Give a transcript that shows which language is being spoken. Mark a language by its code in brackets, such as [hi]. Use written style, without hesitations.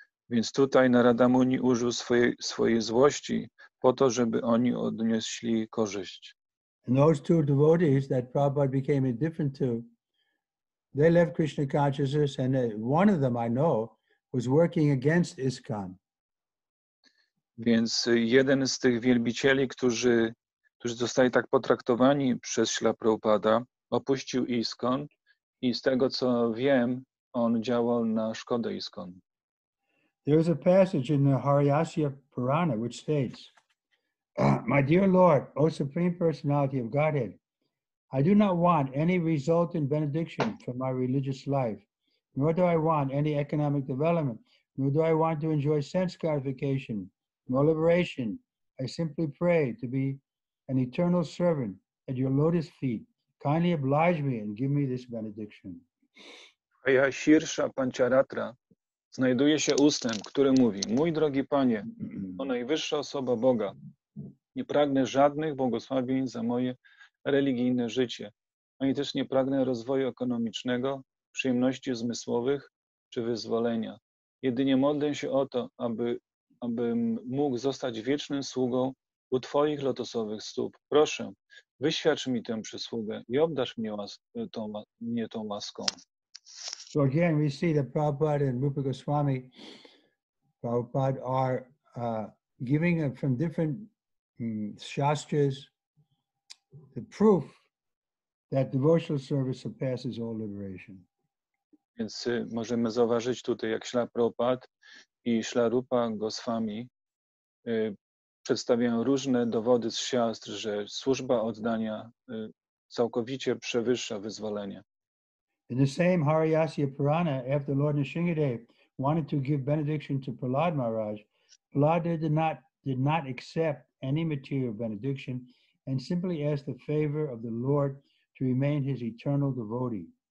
[pl] Więc tutaj Narada Muni użył swojej złości po to, żeby oni odnieśli korzyść. [en] And those two devotees that Prabhupada became indifferent to, they left Krishna consciousness, and one of them I know was working against ISKCON. [pl] Więc jeden z tych wielbicieli, którzy zostali tak potraktowani przez Śla Prabhupada, opuścił ISKCON i z tego, co wiem, on działał na szkodę ISKCON. [en] There is a passage in the Hariyasya Purana which states, my dear Lord, O Supreme Personality of Godhead, I do not want any result in benediction from my religious life, nor do I want any economic development, nor do I want to enjoy sense gratification, nor liberation. I simply pray to be an eternal servant at your lotus feet. Kindly oblige me and give me this benediction. [pl] Aya Shirsha Pancharatra znajduje się ustęp, który mówi: Mój drogi Panie, o najwyższa osoba Boga, nie pragnę żadnych błogosławień za moje religijne życie, ani też nie pragnę rozwoju ekonomicznego, przyjemności zmysłowych czy wyzwolenia. Jedynie modlę się o to, abym mógł zostać wiecznym sługą u Twoich lotosowych stóp. Proszę, wyświadcz mi tę przysługę i obdarz mnie tą łaską. [en] So again, we see that Prabhupada and Rupa Goswami, Prabhupada are giving from different shastras the proof that devotional service surpasses all liberation. [pl] Więc możemy zauważyć tutaj, jak Śla Prabhupada i Śla Rupa Goswami przedstawiają różne dowody z siastr, że służba oddania całkowicie przewyższa wyzwolenie. [en] In the same Hariyasya Purana, after Lord Nrsimhadeva wanted to give benediction to Prahlad Maharaj, Prahlad did not accept any material benediction and simply asked the favor of the Lord to remain his eternal devotee.